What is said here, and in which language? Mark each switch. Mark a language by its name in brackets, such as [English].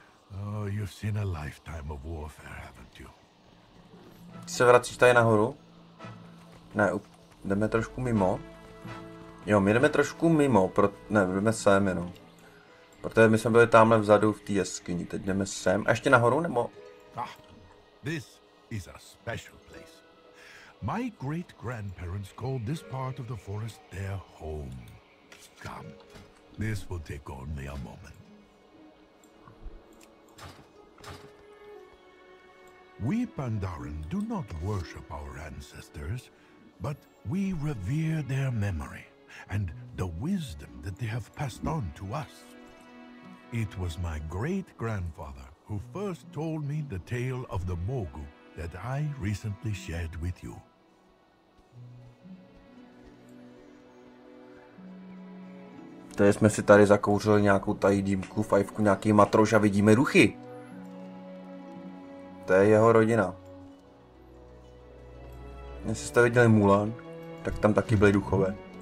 [English] Oh, you've seen a lifetime of warfare, haven't you? [Czech] Ty se vracíš tady nahoru? Ne, jdeme trošku mimo. Jo, my jdeme trošku mimo, ne, jdeme sem jenom. Protože my jsme byli tamhle vzadu v té jeskyni, teď jdeme sem. A ještě nahoru, nebo? [English] Ah, this is a special place. My great-grandparents called this part of the forest their home. Come. This will take only a moment. We Pandaren do not worship our ancestors, but we revere their memory and the wisdom that they have passed on to us. It was my great-grandfather who first told me the tale of the Mogu that I recently shared with you. [Czech] Tady jsme si tady zakouřili nějakou tady dýmku, fajfku, nějaký matrož a vidíme duchy. To je jeho rodina. Jestli jste viděli Mulan, tak tam taky byly duchové.